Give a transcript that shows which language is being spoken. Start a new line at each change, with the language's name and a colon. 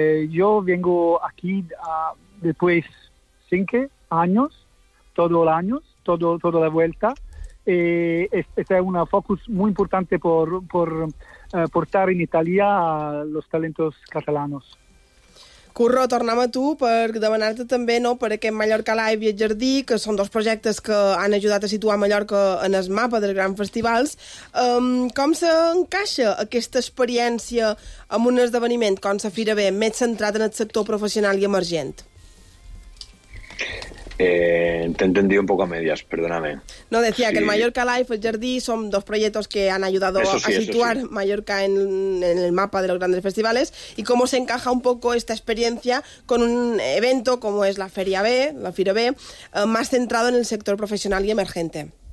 Spanish: Yo vengo aquí después 5 años, todos los años, toda la vuelta. Este es un focus muy importante por portar en Italia los talentos catalanos.
Catalan: Curro, tornem a tu per demanar-te també, no?, per aquest Mallorca Live i el Jardí, que són dos projectes que han ajudat a situar Mallorca en el mapa dels grans festivals. Com s'encaixa aquesta experiència amb un esdeveniment com la Fira B, més centrat en el sector professional i emergent?
Spanish: Te entendí un poco a medias, perdóname. No, decía sí. Que el Mallorca Live, el Jardí, son dos proyectos que han ayudado sí, a situar sí. Mallorca en el mapa de los grandes festivales. ¿Y cómo se encaja un poco esta experiencia con un evento como es la Fira B, más centrado en el sector profesional y emergente?